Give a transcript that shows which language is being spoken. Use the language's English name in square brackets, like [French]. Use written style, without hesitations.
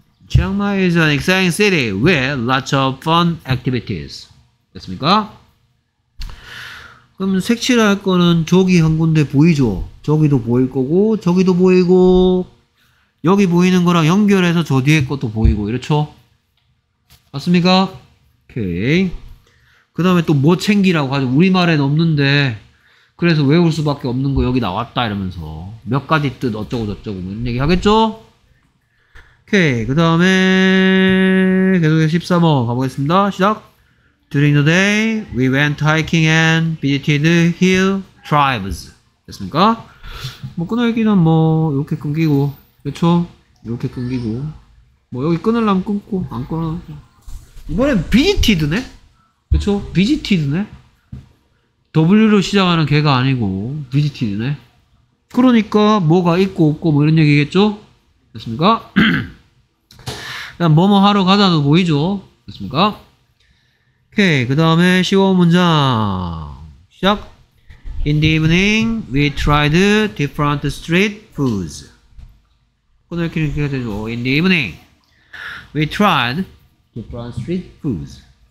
[English] Chiangmai is an exciting city with lots of fun activities. [Korean] 됐습니까? 그럼 색칠할 거는 저기 한 군데 보이죠? 저기도 보일 거고, 저기도 보이고, 여기 보이는 거랑 연결해서 저 뒤에 것도 보이고, 그렇죠? 맞습니까? 오케이. 그 다음에 또 뭐 챙기라고 하죠? 우리말엔 없는데, 그래서 외울 수밖에 없는 거 여기 나왔다 이러면서 몇 가지 뜻 어쩌고저쩌고 이런 얘기 하겠죠? 오케이. 그 다음에 계속해서 14번 가보겠습니다. 시작. [English] During the day, we went hiking and visited hill tribes. [Korean] 됐습니까? 뭐 끊어있기는 뭐 이렇게 끊기고, 그렇죠? 이렇게 끊기고, 뭐 여기 끊으려면 끊고, 안 끊어. 이번엔 비지티드네? 그쵸? 비지티드네? W로 시작하는 개가 아니고 비지티드네. 그러니까 뭐가 있고 없고 뭐 이런 얘기겠죠? 됐습니까? 그냥 뭐뭐 하러 가자도 보이죠? 됐습니까? 오케이. 그 다음에 15문장 시작. [English] In the evening, we tried different street foods. [Korean] 오늘 이렇게 해야 되죠. [English] In the evening, we tried different street foods.